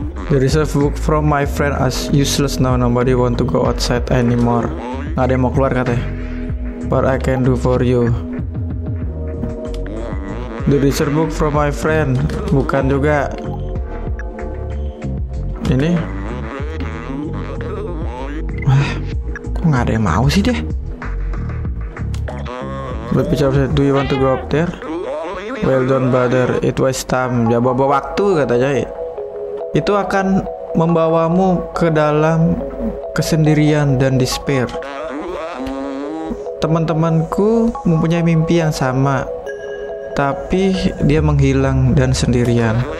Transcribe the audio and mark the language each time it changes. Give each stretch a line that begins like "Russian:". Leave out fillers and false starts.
English: The reserve book from my friend as useless now. Nobody want to go outside anymore.
Indonesian: Nggak ada yang mau keluar katanya.
English: What I can do for you? The reserve book from my friend.
Indonesian: Bukan juga. Ini. Nggak ada yang mau sih deh.
English: The picture said, do you want to go up there? Well, don't bother. It was time.
Indonesian: Ya, bawa-bawa waktu katanya. Itu akan membawamu ke dalam kesendirian dan despair. Teman-temanku mempunyai mimpi yang sama, tapi dia menghilang dan sendirian.